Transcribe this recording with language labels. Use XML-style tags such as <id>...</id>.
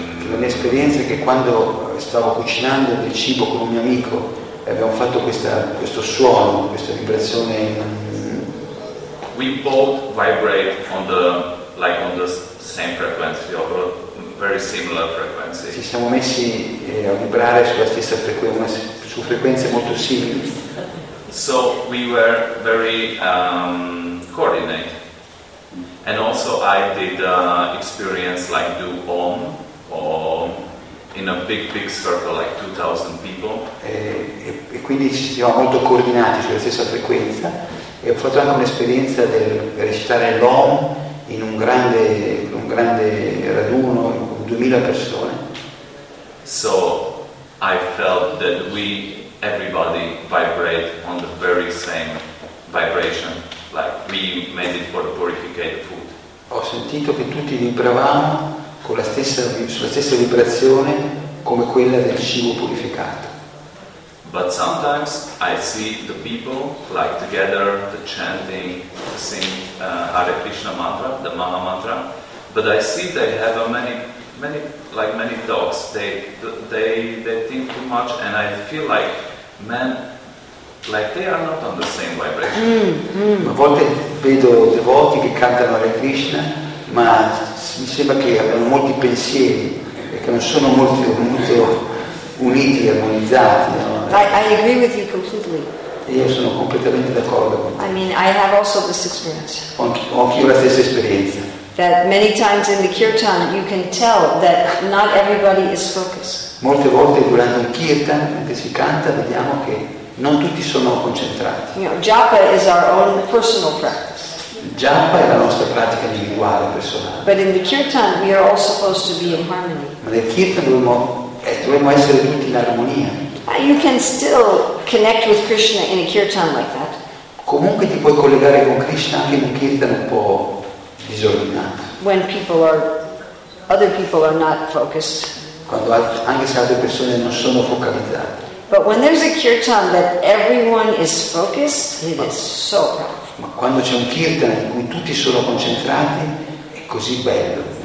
<it>La mia esperienza è che quando stavo cucinando del cibo con un mio amico e abbiamo fatto questo suono, questa vibrazione.</it> <en>We both vibrate on the like on the same frequency or very similar frequency.</en> <it>Ci siamo messi a vibrare sulla stessa frequenza, su frequenze molto simili.</it> <en>So we were very coordinated. And also I did experience like do OM. In a big circle like 2000 people.</en> <it>E quindi ci siamo molto coordinati sulla stessa frequenza e ho fatto anche un'esperienza del recitare l'OM in un grande raduno con 2000 persone.</it> <en>So I felt that we everybody vibrate on the very same vibration like we made it for the purificated food.</en> <it>Ho sentito che tutti vibravamo con la stessa, sulla stessa vibrazione come quella del cibo purificato.</it> <en>But sometimes I see the people like together the chanting, the singing Hare Krishna mantra, the Maha mantra, but I see they have a many dogs. They think too much, and I feel like men like they are not on the same vibration.</en> <it>A volte vedo devoti che cantano Hare Krishna, ma mi sembra che abbiano molti pensieri e che non sono molto uniti, armonizzati. No?</it> <en>I agree with you completely.</en> <it>E io sono completamente d'accordo con te.</it> <en>I mean, I have also this experience.</en> <it>Ho anch'io la stessa esperienza.</it> <en>That many times in the kirtan you can tell that not everybody is focused.</en> <it>Molte volte durante il kirtan, mentre si canta, vediamo che non tutti sono concentrati.</it> <en>You know, japa is our own personal practice.</en> <it>Japa è la nostra pratica individuale personale.</it> <en>But in the kirtan we are all supposed to be in harmony.</en> <it>Ma nel kirtan dovremmo essere tutti in armonia.</it> <en>You can still connect with Krishna in a kirtan like that.</en> <it>Comunque ti puoi collegare con Krishna anche in un kirtan un po' disordinato.</it> <en>When other people are not focused.</en> <it>Quando anche se altre persone non sono focalizzate.</it> <en>But when there's a kirtan that everyone is focused, it is so powerful.</en> <it>Ma quando c'è un kirtan in cui tutti sono concentrati è così bello.</it>